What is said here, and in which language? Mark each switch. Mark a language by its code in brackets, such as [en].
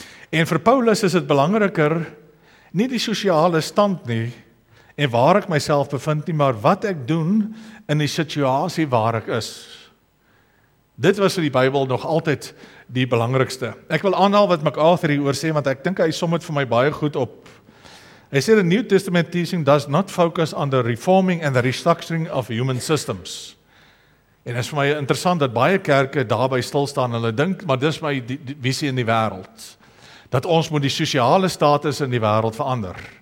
[af] En vir Paulus is het belangriker, nie die sosiale stand nie, en waar ek myself bevind nie, maar wat ek doen in die situasie waar ek is. Dit was in die Bybel nog altyd die belangrikste. Ek wil aanhaal wat MacArthur hier oor sê, want ek dink hy som het vir my baie goed op. Hy sê, [en] the New Testament teaching does not focus on the reforming and the restructuring of human systems. [af] En is vir my interessant dat baie kerke daarby stilstaan, hulle dink, maar dis my visie in die wêreld, dat ons moet die sosiale status in die wêreld verander.